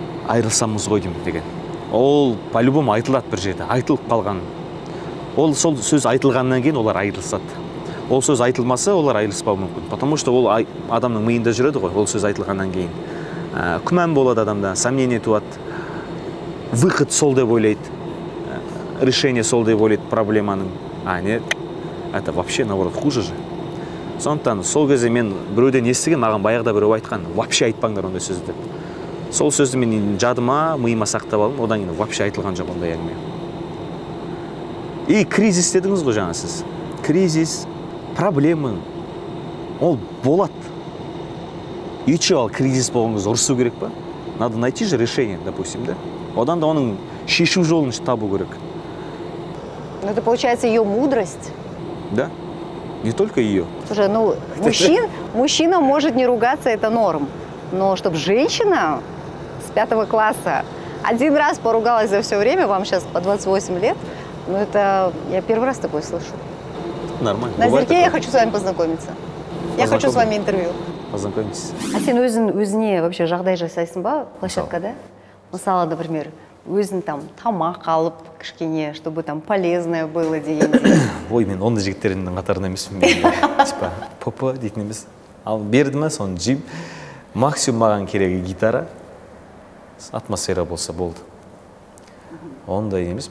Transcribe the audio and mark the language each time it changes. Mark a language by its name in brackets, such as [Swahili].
[Kazakh] Айрылсамыз ғой деймін деген. Ол по-любому айтылады бір жерде, айтылып қалған. Ол сол сөз айтылғаннан кейін олар айырылысады. Ол сөз айтылмаса, олар айырылыспауы мүмкін. Потому что ол адамның миында жүреді ғой, ол сөз айтылғаннан кейін. Күмән болады адамда, сомнение туады. Выход сол деп ойлайды. Решение сол деп ойлайды проблеманың. [Russian] А не, это вообще наоборот хуже же. [Kazakh] Сондықтан сол кезде мен біреуден естіген, маған баяғыда біреу айтқан, вообще айтпаңдар ондай сөзді деп. Сол сөзді мен жадыма, миыма сақтап алдым, одан кейін вообще айтылған жоқ ондай әңгіме. И кризис дедіңіз ғой жаңа сіз. Кризис, проблема, ол болады. И че ол кризис болғаныңыз ұрысу керек па? [Russian] Надо найти же решение, допустим, да? [Kazakh] Одан да оның шешу жолын табу керек. [Russian] Ну это получается ее мудрость? Да. Не только ее. Слушай, ну мужчина может не ругаться, это норм. Но чтобы женщина с пятого класса один раз поругалась за все время, вам сейчас по 28 лет, ну это я первый раз такое слышу. Нормально. Назерке, я хочу с вами познакомиться. Я хочу с вами интервью. Познакомьтесь. [Kazakh] А сен өзіне вообще жағдай жасайсың ба площадка, да? Мысалы, например, өзің там тамақ алып кішкене, [Russian] чтобы там полезное было [Kazakh] деген. Ой, мен оны жігіттерінің қатарына емеспін. Попа дейтін емес. Ал берді ме, соны жеймін. Максимум маған керегі гитара, атмосфера болса болды. Ондай емес.